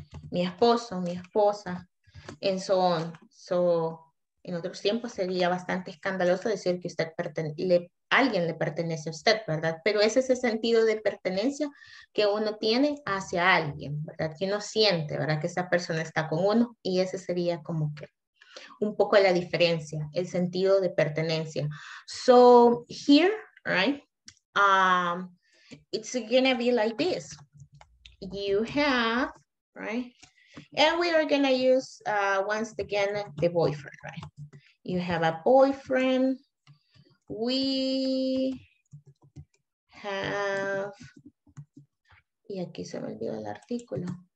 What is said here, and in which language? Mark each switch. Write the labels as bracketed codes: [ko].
[es] Mi esposo, mi esposa, [en] and so on. [es] So, en otros tiempos sería bastante escandaloso decir que usted alguien le pertenece a usted, ¿verdad? Pero es ese sentido de pertenencia que uno tiene hacia alguien, ¿verdad? Que uno siente, ¿verdad? Que esa persona está con uno, y ese sería como que un poco la diferencia, el sentido de pertenencia. [en] So here, right, it's gonna be like this. You have, right, and we are gonna use once again the boyfriend, right? You have a boyfriend. We have, [es] y aquí se me olvidó el artículo.